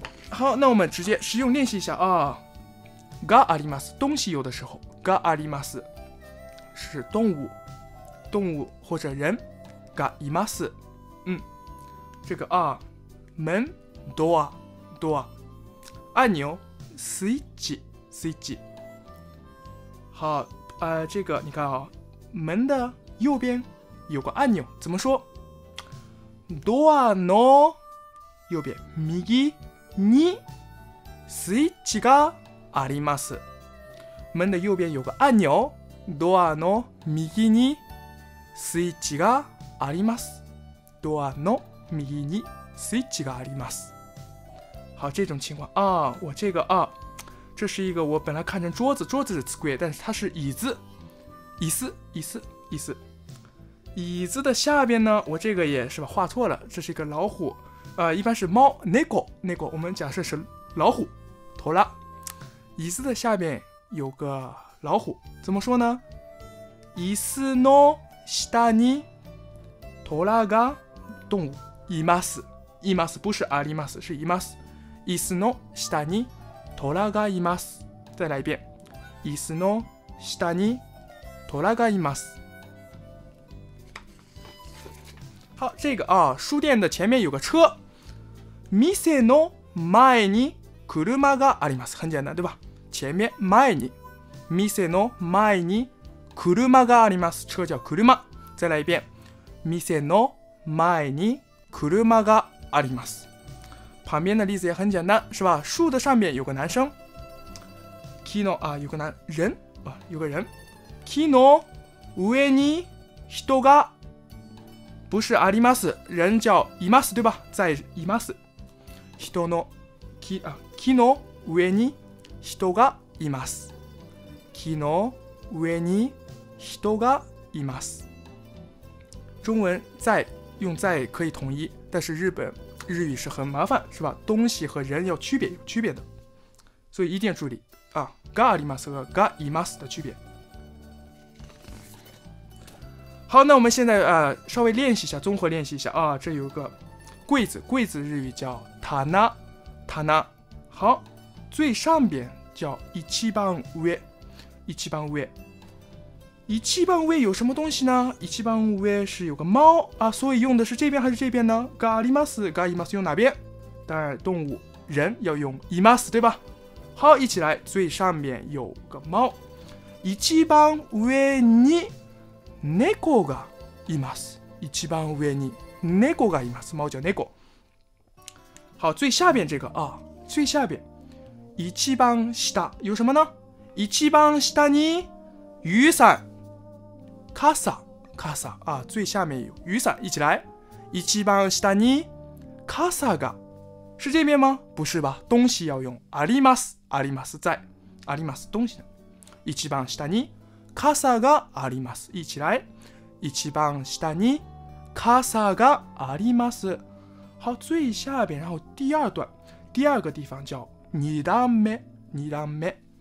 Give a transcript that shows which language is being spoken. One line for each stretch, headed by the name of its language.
Chinese: 好，那我们直接实用练习一下啊。がアリマス，东西有的时候，がアリマス是动物，动物或者人。がいます，嗯，这个啊，门。
Japanese: ドア、ドア、按钮、スイッチ、スイッチ。
Chinese: 好，这个你看啊、哦，门的右边有个按钮，怎么说？
Japanese: ドアの右边右にスイッチがあります。
Chinese: 门的右边有个按钮，
Japanese: ドアの右にスイッチがあります。ドアの右にスイッチがあります。
Chinese: 好，这种情况啊，我这个啊，这是一个我本来看成桌子，桌子是 机， 但是它是椅子，椅子，椅子，椅子，椅子的下边呢，我这个也是吧，画错了，这是一个老虎，一般是猫 ，nego nego， 我们假设是老虎，妥了。椅子的下边有个老虎，怎么说呢？
Japanese: 椅子の下にトラが
Chinese: 动物
Japanese: います，います不是あります，是います。椅子の下にトラがいます。
Chinese: 再来一遍。
Japanese: 椅子の下にトラがいます。
Chinese: 好，这个啊，书店的前面有个车。
Japanese: 店の前に車があります。
Chinese: 很简单，对吧？前面
Japanese: 前に。店の前に車があります。
Chinese: 车叫車。再来一遍。
Japanese: 店の前に車があります。
Chinese: 旁边的例子也很简单，是吧？树的上面有个男生 ，kino 啊，有个男人啊，有个人 ，
Japanese: kino ueni hitoga，
Chinese: 不是 arimasu， 人叫 imasu 对吧？在 imasu， hito no ki 啊 ，
Japanese: kino ueni hitoga imasu，
Chinese: kino ueni hitoga imasu， 中文在用在可以统一，但是日本。日语是很麻烦，是吧？东西和人要区别，有区别的，所以一定要注意啊。
Japanese: がありますががいます的区别。
Chinese: 好，那我们现在稍微练习一下，综合练习一下啊。这有个柜子，柜子日语叫棚，棚。好，最上边叫一番上，一番上，一番上有什么东西呢？一番上是有个猫啊，所以用的是这边还是这边呢？がありますがいます用哪边？当然动物人要用います对吧？好，一起来，最上面有个猫，
Japanese: 一番上に猫がいます。一番上に猫がいます。
Chinese: 猫叫猫。好，最下边这个啊，最下边，一番下有什么呢？
Japanese: 一番下に雨伞、傘、傘啊，
Chinese: 最下面有雨伞，一起来。
Japanese: 一番下に傘が
Chinese: 是这边吗？不是吧？东西要用あります、あります在、あります东西。
Japanese: 一番下に傘があります。
Chinese: 一起来。
Japanese: 一番下に傘があります。
Chinese: 好，最下边，然后第二段，第二个地方叫二段目、二段目。